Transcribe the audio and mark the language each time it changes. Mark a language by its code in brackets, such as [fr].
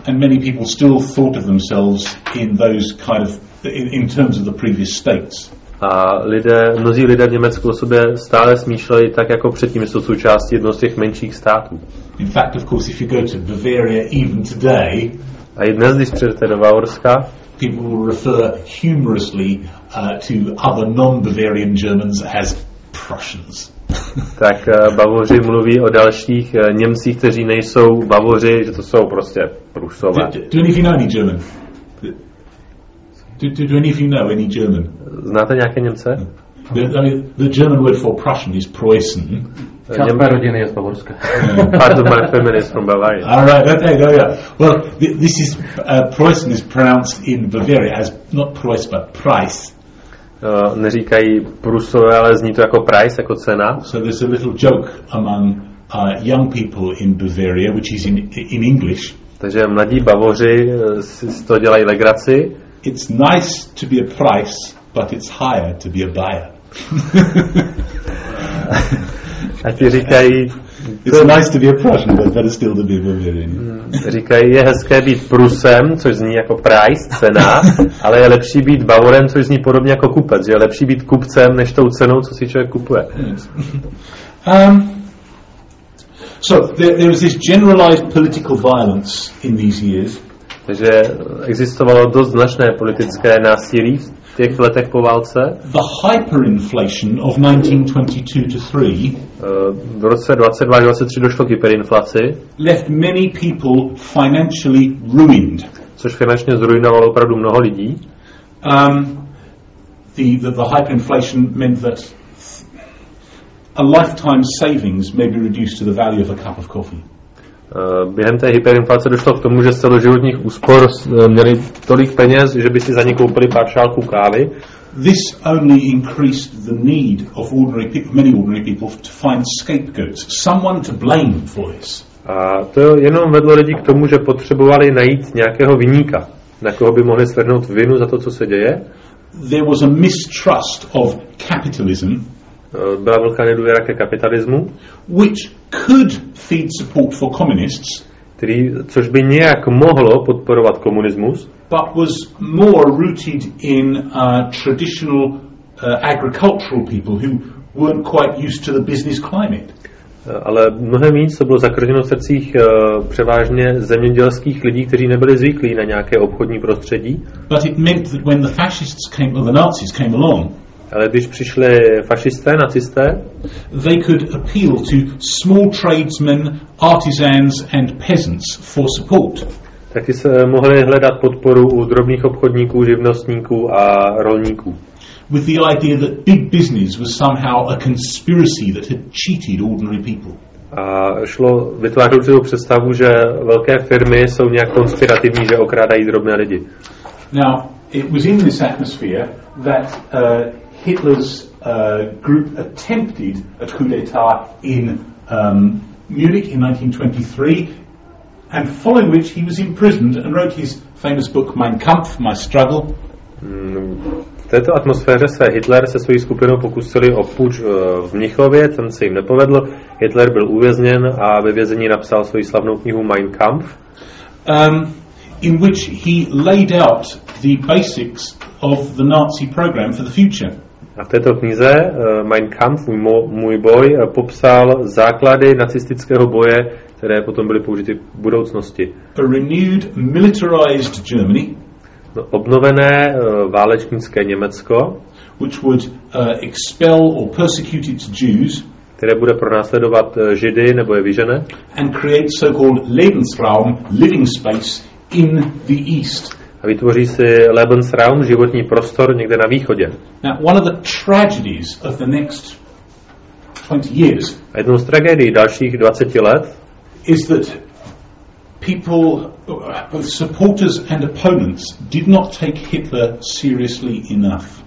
[en] And many people still thought of themselves in those kind of in terms of the previous states. [cs] A lidé, mnozí lidé v Německu o sobě stále smýšleli tak, jako předtím, jsou součástí jednoho z těch menších států. [en] In fact, of course, if you go to Bavaria even today, [cs] a i dnes, když přijdete do Bavorska, [en] people will refer humorously to other non-Bavarian Germans as Prussians. [cs] Tak Bavoři mluví o dalších Němcích, kteří nejsou Bavoři, že to jsou prostě Prusové. [en] Do any of you know any German? Do any of you know any German? [cs] Znáte nějaké Němce? [en] The German word for Prussian is Preußen. [cs] Kasper rodiny je z Bavorska. [en] Part of my family is from Bavaria. All right, okay, go, yeah. Well, this is Preußen is pronounced in Bavaria as not Preuss, but Price. [cs] Neříkají Prusové, ale zní to jako Price, jako cena. [en] So there's a little joke among young people in Bavaria, which is in English. [cs] Takže mladí Bavoři si to dělají legraci. [en] It's nice to be a price, but it's higher to be a buyer. [cs] A ti říkají... [en] It's nice to be a Prussian, but better still to be a Bavarian. [cs] Říkají, je hezké být Prusem, což zní jako price, cena, ale je lepší být Bavorem, což zní podobně jako kupec. Je lepší být kupcem, než tou cenou, co si člověk kupuje. [en] So there was this generalized political violence in these years. [cs] Takže existovalo dost značné politické násilí v těch letech po válce. [en] The hyperinflation of 1922 to [cs] 3. V roce 22-23 došlo k hyperinflaci. [en] Left many people financially ruined. [cs] Což finančně zruinovalo opravdu mnoho lidí. [en] The hyperinflation meant that a lifetime savings may be reduced to the value of a cup of coffee. [cs] Během té hyperinflace došlo k tomu, že z celoživotních úspor měli tolik peněz, že by si za ně koupili pár šálků kávy. [en] This only increased the need of ordinary people, many ordinary people, to find scapegoats, someone to blame for this. [cs] A to jenom vedlo lidi k tomu, že potřebovali najít nějakého viníka, na koho by mohli svrhnout vinu za to, co se děje. [en] There was a mistrust of capitalism. [cs] Byla velká nedůvěra ke kapitalismu, [en] which could feed support for communists, [cs] který, což by nějak mohlo podporovat komunismus, [en] but was more rooted in traditional agricultural people who weren't quite used to the business climate. [cs] Ale mnohem víc to bylo zakrženo v srdcích převážně zemědělských lidí, kteří nebyli zvyklí na nějaké obchodní prostředí. [en] But it meant that when the fascists came, or the Nazis came along, [cs] ale když přišli fašisté, nacisté, [en] they could appeal to small tradesmen, artisans and peasants for support. [cs] Taky se mohli hledat podporu u drobných obchodníků, živnostníků a rolníků. [en] With the idea that big business was somehow a conspiracy that had cheated ordinary people. [cs] A šlo vytvářet si představu, že velké firmy jsou nějak konspirativní, že okrádají drobné lidi. [en] Now, it was in this atmosphere that Hitler's group attempted a coup d'état in Munich in 1923, and following which he was imprisoned and wrote his famous book Mein Kampf, My Struggle. [cs] V této atmosféře se Hitler se svojí skupinou pokusili o puč v Mnichově, ten se jim nepovedl. Hitler byl uvězněn a ve vězení napsal svoji slavnou knihu Mein Kampf, [en] in which he laid out the basics of the Nazi program for the future. [cs] A v této knize Mein Kampf, můj boj, popsal základy nacistického boje, které potom byly použity v budoucnosti. [en] A renewed militarized Germany, [cs] obnovené válečnické Německo, [en] which would expel or persecute its Jews, [cs] které bude pronásledovat Židy nebo je vyžene, [en] and create so-called Lebensraum, living space in the East. [cs] A vytvoří si Lebensraum, životní prostor někde na východě. [en] Now, one of the tragedies of the next 20 years. [cs] A jednou z tragédií dalších 20 let [en] is that people, both supporters and opponents, did not take Hitler seriously enough.